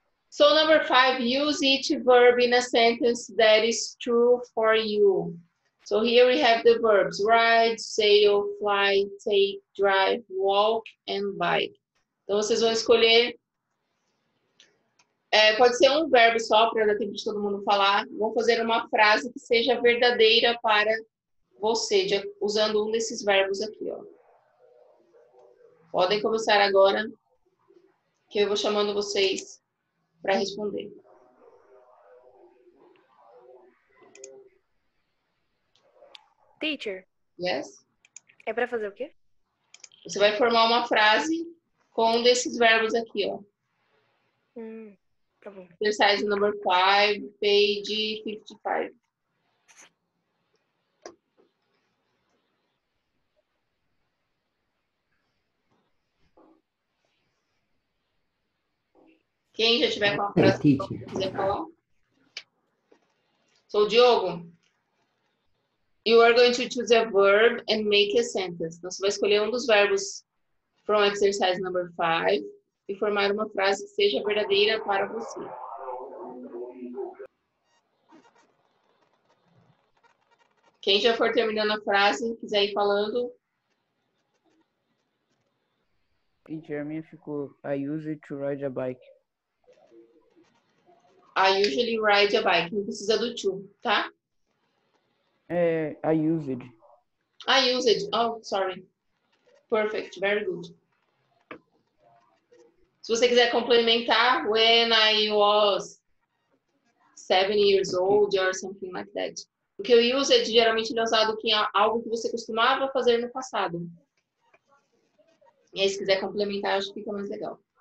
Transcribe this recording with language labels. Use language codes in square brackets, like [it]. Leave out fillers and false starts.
[en] So number 5, use each verb in a sentence that is true for you. So here we have the verbs, ride, sail, fly, take, drive, walk, and bike. [pt] Então vocês vão escolher, pode ser verbo só para dar tempo de todo mundo falar. Vou fazer uma frase que seja verdadeira para você, usando desses verbos aqui. Ó. Podem começar agora, que eu vou chamando vocês para responder. [en] Teacher. Yes? [pt] É para fazer o quê? Você vai formar uma frase com desses verbos aqui, ó. Tá bom. [en] Exercise number 5, page 55. [pt] Quem já tiver com a frase, quiser falar. Sou o Diogo. [en] You are going to choose a verb and make a sentence. [pt] Então, você vai escolher dos verbos from exercise number 5 e formar uma frase que seja verdadeira para você. Quem já for terminando a frase, quiser ir falando. [en] Teacher, a minha ficou, I use it to ride a bike. I usually ride a bike. Não precisa do to, tá? I use it. I use it. Oh, sorry. Perfect. Very good. Se você quiser complementar, when I was 7 years old or something like that. [pt] Porque o use it geralmente é usado em algo que você costumava fazer no passado. E aí, se quiser complementar, acho que fica mais legal.